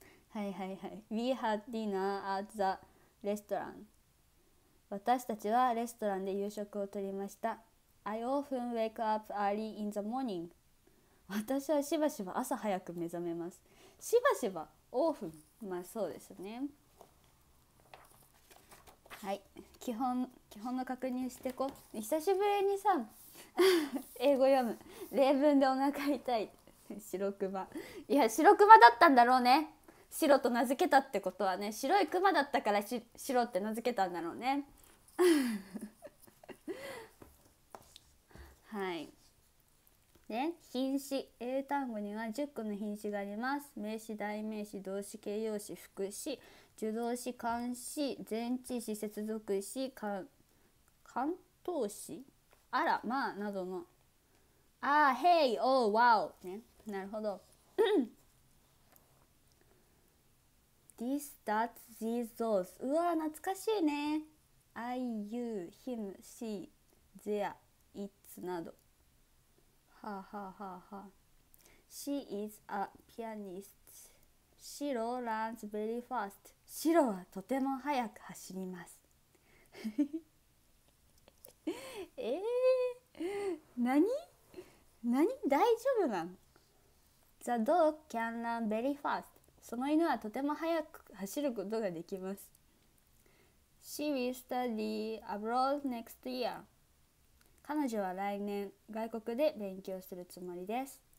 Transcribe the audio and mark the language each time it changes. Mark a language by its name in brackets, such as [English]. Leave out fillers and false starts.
[Japanese] はいはいはい、 [English] We had dinner at the restaurant. [Japanese] 私たちはレストランで夕食をとりました。 [English] I often wake up early in the morning. [Japanese] 私はしばしば朝早く目覚めます。しばしば、 often、 まあそうですね。はい、基本の確認してこ、久しぶりにさ英語読む、例文でお腹痛い。白クマ、いや白クマだったんだろうね、白と名付けたってことはね、白いクマだったから白って名付けたんだろうね。はい、ね、品詞、英単語には10個の品詞があります。名詞、代名詞、動詞、形容詞、副詞、助動詞、冠詞、前置詞、接続詞、関東詞、あら、まあなどの、あー、 [English] hey, oh, wow、 [Japanese] ね、なるほど。 [English] This, that, these, those、 [Japanese] うわ懐かしいね。 [English] I, you, him, she, there, it's [Japanese] など、はあはあはあはあ、 [English] She is a pianist. シロ runs very fast. [Japanese] シロはとても速く走ります。何大丈夫なの？ [English] The dog can run very fast. [Japanese] その犬はとても速く走ることができます。 [English] She will study abroad next year. [Japanese] 彼女は来年外国で勉強するつもりです。